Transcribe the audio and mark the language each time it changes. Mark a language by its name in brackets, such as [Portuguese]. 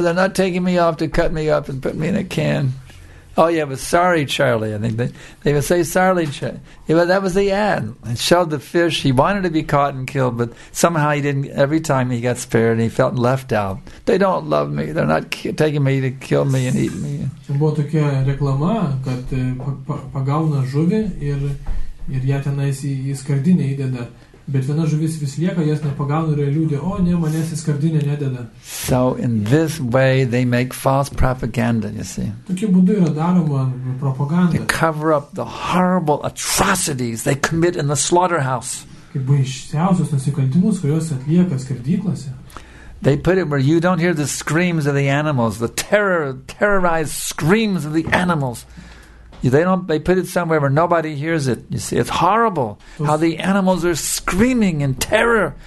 [English] They're not taking me off to cut me up and put me in a can." "Oh, yeah, but sorry, Charlie." I think they would say, "Sorry, Charlie." Yeah, but that was the ad. It showed the fish. He wanted to be caught and killed, but somehow he didn't. Every time he got spared, he felt left out. "They don't love me. They're not taking me to kill me and eat me." There was such a [Lithuanian] reklama [English] that he [Lithuanian] pagauna žuvį ir ją tenais į skardinę įdeda. Bet viena žuvis vis lieka, jas nepagauna ir liūdė, "O ne, manęs į skardinę nededa." [English] So in this way they make false propaganda, you see. [Lithuanian] Tokiu būdu yra daroma propaganda. [English] They cover up the horrible atrocities they commit in the slaughterhouse. [Lithuanian] Kaip baisiausius nusikaltimus, kuriuos atlieka skerdyklose. [English] They put it where you don't hear the screams of the animals, the terrorized screams of the animals. They put it somewhere where nobody hears it. You see, it's horrible how the animals are screaming in terror.